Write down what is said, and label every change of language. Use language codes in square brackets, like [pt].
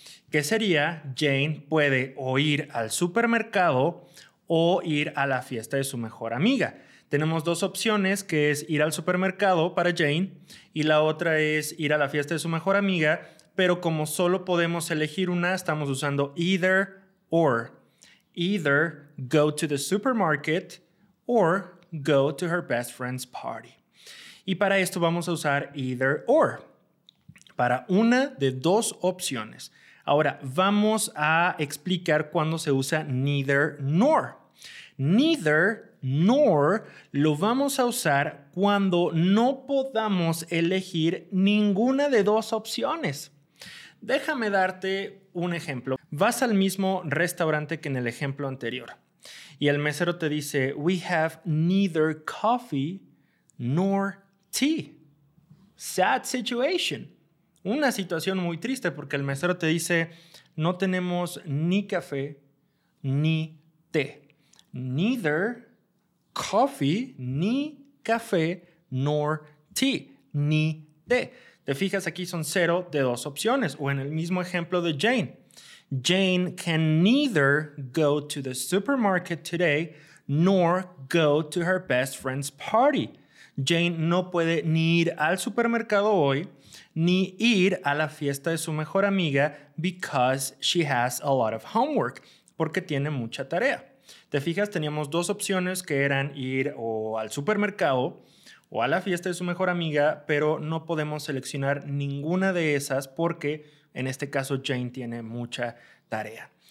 [es] Que sería, Jane puede o ir al supermercado o ir a la fiesta de su mejor amiga. Tenemos dos opciones, que es ir al supermercado para Jane y la otra es ir a la fiesta de su mejor amiga, pero como solo podemos elegir una, estamos usando either or. [en] Either go to the supermarket or go to her best friend's party. [es] Y para esto vamos a usar either or, para una de dos opciones. Ahora vamos a explicar cuándo se usa neither nor. Neither nor lo vamos a usar cuando no podamos elegir ninguna de dos opciones. Déjame darte un ejemplo. Vas al mismo restaurante que en el ejemplo anterior y el mesero te dice, [en] we have neither coffee nor tea. Sad situation. [es] Una situación muy triste porque el mesero te dice, no tenemos ni café ni té. [en] Neither coffee, [es] ni café, [en] nor tea, [es] ni té. Te fijas, aquí son cero de dos opciones. O en el mismo ejemplo de Jane. [en] Jane can neither go to the supermarket today nor go to her best friend's party. [es] Jane no puede ni ir al supermercado hoy ni ir a la fiesta de su mejor amiga [en] because she has a lot of homework, [es] porque tiene mucha tarea. Te fijas, teníamos dos opciones que eran ir o al supermercado o a la fiesta de su mejor amiga, pero no podemos seleccionar ninguna de esas porque en este caso Jane tiene mucha tarea.